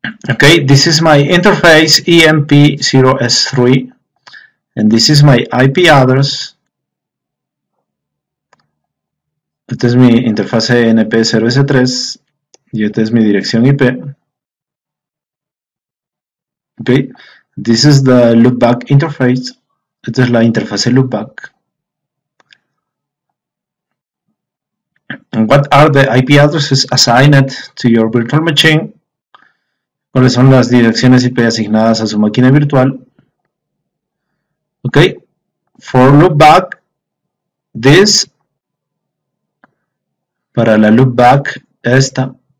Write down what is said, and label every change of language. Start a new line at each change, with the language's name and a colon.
English: Okay, this is my interface EMP0S3 and this is my IP address.
Spanish: Esta es mi interfase NP0S3 y esta es mi dirección IP.
English: Okay, this is the loopback interface.
Spanish: Esta es la interfase loopback.
English: And what are the IP addresses assigned to your virtual machine?
Spanish: ¿Cuáles son las direcciones IP asignadas a su máquina virtual?
English: Ok. For loopback, this.
Spanish: Para la loopback, esta.